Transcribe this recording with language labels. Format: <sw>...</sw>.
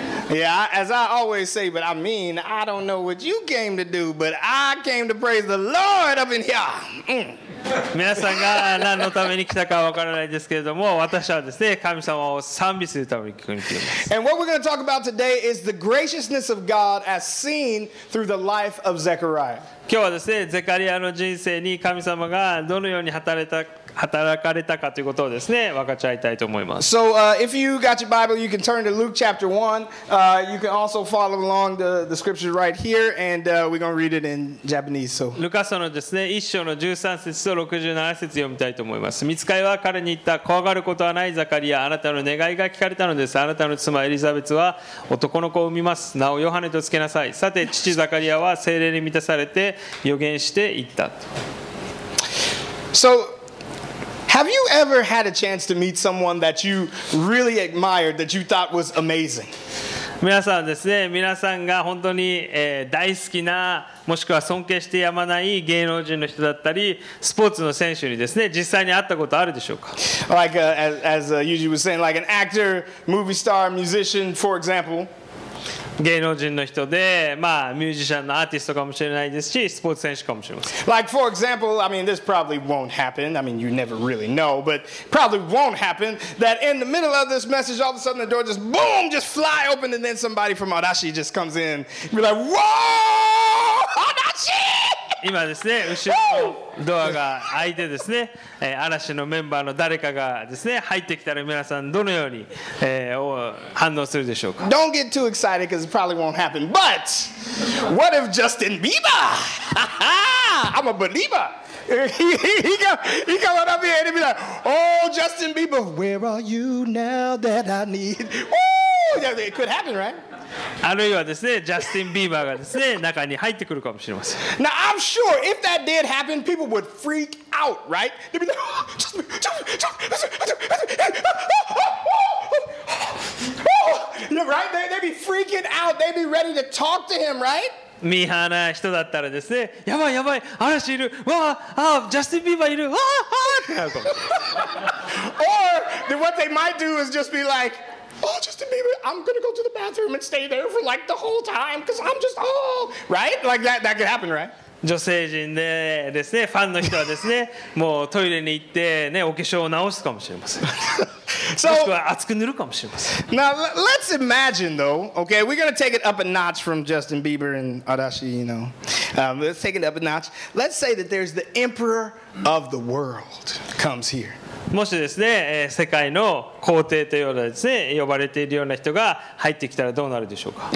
<en>Yeah, as I always say, but I mean, I don't know what you came to do, but I came to praise the Lord up in here.</en> <ja>皆さんが何のために来たかわからないですけれども、私はですね、神様を賛美するために来ています。</ja> <en>And what we're going to talk about today is the graciousness of God as seen through the life of Zechariah.</en> <ja>今日はですね、ゼカリアの人生に神様がどのように働かれたかということをですね、分かち合いたいと思います。</ja> <en>So, if you got your Bible, you can turn to Luke chapter 1. You can also follow along the scriptures right here, and we're going to read it in Japanese. So.</en> <ja>ルカ書のですね、1章の13節と67節読みたいと思います。御使いは彼に言った、怖がることはないザカリア、あなたの願いが聞かれたのです。あなたの妻エリザベツは男の子を産みます。名をヨハネとつけなさい。さて、父ザカリアは聖霊に満たされて予言していったと。</ja> <en>So,Have you ever had a chance to meet someone that you really admired, that you thought was amazing?</en> <ja>皆さんですね、皆さんが本当に、大好きな、もしくは尊敬してやまない芸能人の人だったり、スポーツの選手にですね、実際に会ったことあるでしょうか?</ja> <en>Like, as Yuji was saying, like an actor, movie star, musician, for example.</en> <ja>芸能人の人で、まあ、ミュージシャンのアーティストかもしれないですし、スポーツ選手かもしれません。</ja> <en>Like, for example, I mean, this probably won't happen. I mean, you never really know, but probably won't happen that in the middle of this message, all of a sudden the door just boom, just fly open, and then somebody from Adachi just comes in and be like, Whoa! Adachi!</en> <ja>今ですね、後ろのドアが開いてですね、嵐のメンバーの誰かがですね、入ってきたら皆さんどのように、反応するでしょうか?</ja> <en>Don't get too excited because it probably won't happen. But what if Justin Bieber? I'm a believer. He come up here and be like, Oh, Justin Bieber, where are you now that I need? Woo! It could happen, right?</en> <ja>あるいはですね、ジャスティン・ビーバーがですね、中に入ってくるかもしれません。</ja> <en>Now, I'm sure if that did happen, people would freak out, right? They'd be like, Right? They'd be freaking out. They'd be ready to talk to him, right?</en> <ja>ミーハーな人だったらですね、やばいやばい、嵐いる、わあ、ジャスティン・ビーバーいる、わあ、わあってなるかも。</ja> <en>Or, then what they might do is just be like,Oh, Justin Bieber, I'm going to go to the bathroom and stay there for like the whole time because I'm just, oh, right? Like that could happen, right?</en> <ja>女性陣でですね、ファンの人はですね、もうトイレに行ってね、お化粧を直すかもしれません。</ja> <en>So,</en> <ja>もしくは熱く塗るかもしれません。</ja> <en>Now, let's imagine though, okay, we're going to take it up a notch from Justin Bieber and Adachi, you know. Let's take it up a notch. Let's say that there's the emperor of the world comes here.</en> <ja>もしですね、世界の皇帝というようなですね、呼ばれているような人が入ってきたらどうなるでしょうか?</ja>